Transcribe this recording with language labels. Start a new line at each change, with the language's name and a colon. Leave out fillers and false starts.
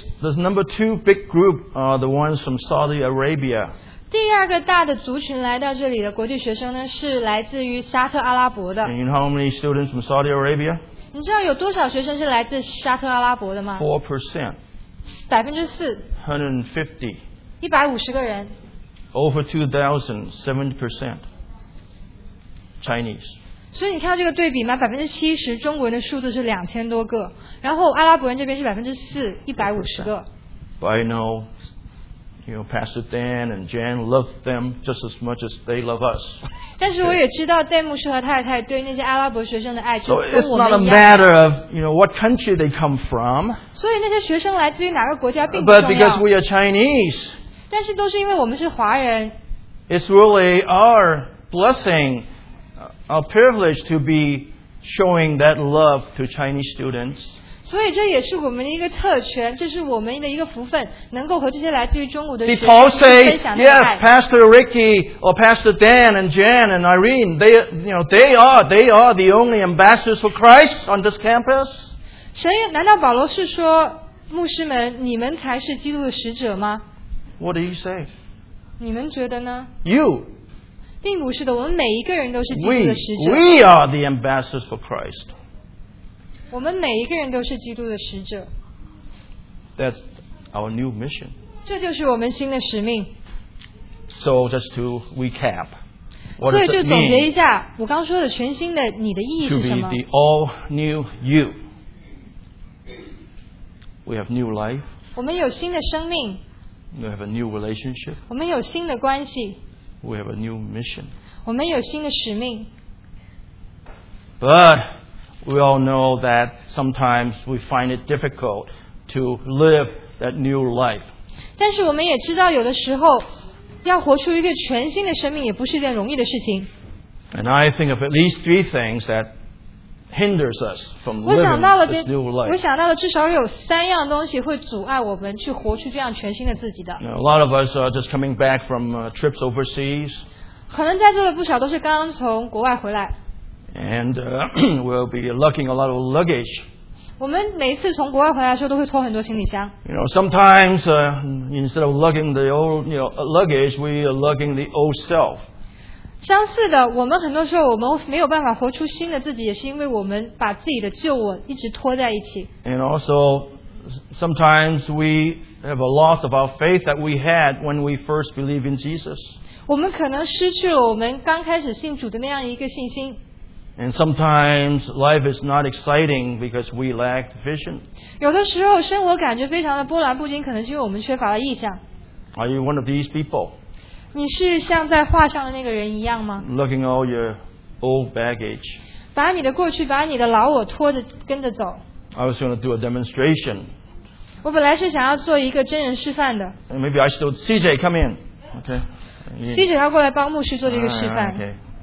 English: The number two big group are the ones from Saudi Arabia.
Chinese: 第二个大的族群来到这里的国际学生呢，是来自于沙特阿拉伯的。
English: And you know how many students from Saudi Arabia?
Chinese: 你知道有多少学生是来自沙特阿拉伯的吗？
English: 4%.
Chinese: 4%.
English: 150.
Chinese: 150个人。
English: Over 2,000, 70% Chinese.
Chinese: 所以你看到这个对比吗？ 70% 中国人的数字是2000多个，然后阿拉伯人这边是 4%， 150个。
English: But I know, you know, Pastor Dan and Jan love them just as much as they love us.
Chinese: 但是我也知道戴牧师和太太对那些阿拉伯学生的爱就跟我们一样。
English: So it's not a matter of, you know, what country they come from.
Chinese: 所以那些学生来自于哪个国家并不重要。
English: But because we are Chinese.
Chinese: 但是都是因为我们是华人。
English: It's really our blessing, our privilege to be showing that love to Chinese students.
Chinese: 所以这也是我们的一个特权，这是我们的一个福分，能够和这些来自于中国的学生分享的爱。
English: Did Paul say, yes, Pastor Ricky or Pastor Dan and Jan and Irene, they are the only ambassadors for Christ on this campus?
Chinese: 难道保罗是说，牧师们，你们才是基督的使者吗？
English: What do you say?
Chinese: 你们觉得呢？
English: You.
Chinese: 并不是的，我们每一个人都是基督的使者。
English: We are the ambassadors for Christ.
Chinese: 我们每一个人都是基督的使者。
English: That's our new mission.
Chinese: 这就是我们新的使命。
English: So just to recap,
Chinese: 所以就总结一下，我刚说的全新的你的意义是什么
English: ？To be the all new you. We have new life.
Chinese: 我们有新的生命。
English: We have a new relationship.
Chinese: 我们有新的关系。
English: We have a new mission.
Chinese: 我们有新的使命。
English: But we all know that sometimes we find it difficult to live that new life.
Chinese: 但是我们也知道，有的时候要活出一个全新的生命也不是一件容易的事情。
English: And I think of at least three things that hinders us from living this new life.
Chinese: 我想到了至少有三样东西会阻碍我们去活出这样全新的自己的。
English: A lot of us are just coming back from trips overseas.
Chinese: 可能在座的不少都是刚刚从国外回来。
English: And we'll be lugging a lot of luggage.
Chinese: 我们每次从国外回来的时候都会拖很多行李箱。
English: You know, sometimes instead of lugging the old, you know, luggage, we are lugging the old self.
Chinese: 相似的，我们很多时候我们没有办法活出新的自己，也是因为我们把自己的旧我一直拖在一起。
English: And also, sometimes we have a loss of our faith that we had when we first believed in Jesus.
Chinese: 我们可能失去了我们刚开始信主的那样一个信心。
English: And sometimes life is not exciting because we lack vision.
Chinese: 有的时候生活感觉非常的波澜不惊，可能是因为我们缺乏了意向。
English: Are you one of these people?
Chinese: 你是像在画上的那个人一样吗？
English: Looking all your old baggage.
Chinese: 把你的过去，把你的老我拖着跟着走。
English: I was going to do a demonstration.
Chinese: 我本来是想要做一个真人示范的。
English: And maybe I still CJ come in, okay?
Chinese: CJ 要过来帮牧师做这个示范。